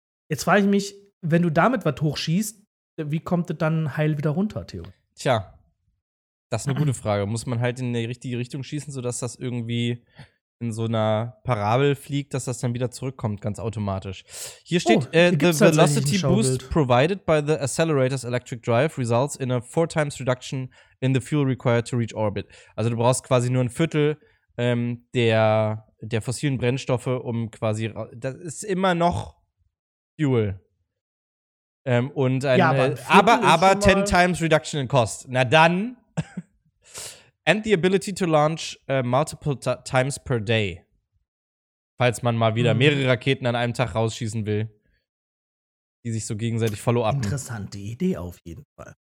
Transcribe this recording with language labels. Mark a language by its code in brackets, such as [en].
[de] Jetzt frage ich mich, wenn du damit was hochschießt, wie kommt das dann heil wieder runter, Theo? Tja, das ist eine gute Frage. Muss man halt in die richtige Richtung schießen, sodass das irgendwie in so einer Parabel fliegt, dass das dann wieder zurückkommt, ganz automatisch. Hier steht, [en] the velocity boost provided by the accelerator's electric drive results in a 4x reduction in the fuel required to reach orbit. [de] Also du brauchst quasi nur ein Viertel der fossilen Brennstoffe, um quasi, das ist immer noch Fuel. Aber [en] 10 times reduction in cost. [de] Na dann. [en] And the ability to launch multiple times per day. [de] Falls man mal wieder mehrere Raketen an einem Tag rausschießen will, die sich so gegenseitig follow-upen. Interessante Idee auf jeden Fall.